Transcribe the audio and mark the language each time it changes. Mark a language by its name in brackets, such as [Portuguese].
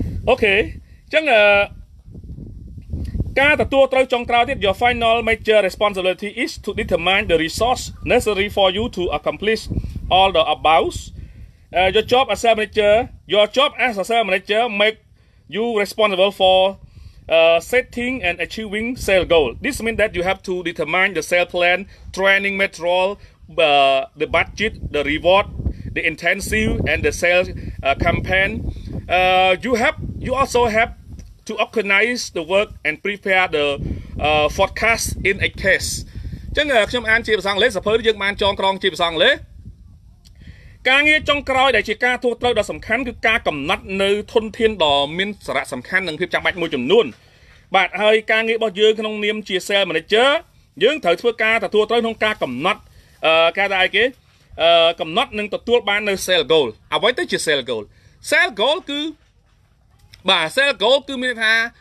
[English] អូខេអញ្ចឹងការទទួលត្រូវចុងក្រោយទៀត your final major responsibility is to determine the resource necessary for you to accomplish all the above your job as a sales manager make you responsible for setting and achieving sales goal. This means that you have to determine the sales plan, training material, the budget, the reward, the intensive and the sales campaign. You also have to organize the work and prepare the forecast in a case. [Khmer] ចឹងខ្ញុំអានជាភាសាអង់គ្លេសសភើយើងបានចងក្រងជាភាសាអង់គ្លេសការងារចុងក្រោយដែលជាការទូទៅដ៏សំខាន់គឺការកំណត់នៅធនធានដ៏មានសារៈសំខាន់និងភាពចាំបាច់មួយចំនួនបាទហើយការងាររបស់យើងក្នុងនាមជា Sales Manager យើងត្រូវធ្វើការទទួលត្រូវក្នុងការកំណត់គេថាអីគេកំណត់និងទទួលបាននៅ Sales Goal អ្វីទៅជា Sales Goal Sales Goal គឺបាទ Sales Goal គឺមានន័យថា